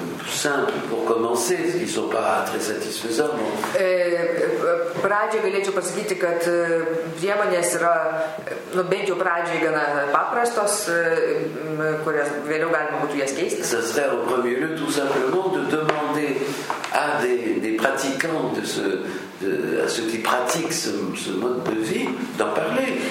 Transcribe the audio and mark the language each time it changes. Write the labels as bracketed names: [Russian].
[French] simple pour commencer, qui ne sont pas très satisfaisants. Bon. [Lithuanian] Pradžiai galėčiau pasakyti, kad priemonės yra, nu, bent jau pradžiai gana paprastos, kurias vėliau galima būtų jas keisti. [French] Ça serait au premier lieu tout simplement de demander à des pratiquants de ce à ceux qui pratiquent ce mode de vie d'en parler.